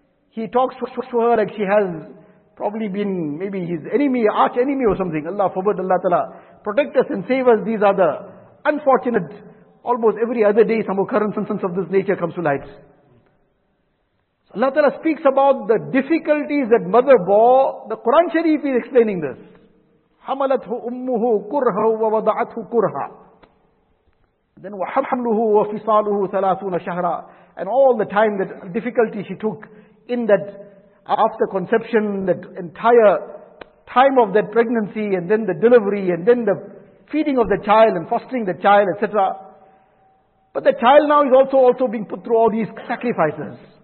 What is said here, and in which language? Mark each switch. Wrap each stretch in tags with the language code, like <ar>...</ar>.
<en>He talks to her like she has probably been maybe his enemy, arch enemy or something. Allah forbid, Allah Ta'ala protect us and save us. These are the unfortunate, almost every other day some occurrence of this nature comes to light. So Allah Ta'ala speaks about the difficulties that mother bore. The Quran Sharif is explaining this.</en> <ar>حَمَلَتْهُ أُمُّهُ كُرْهَهُ وَوَضَعَتْهُ كُرْهَا. Then وَحَمْلُهُ وَفِصَالُهُ ثَلَاثُونَ شَهْرًا.</ar> <en>And all the time that difficulty she took in that after conception, that entire time of that pregnancy, and then the delivery, and then the feeding of the child and fostering the child, etc. But the child now is also being put through all these sacrifices.</en>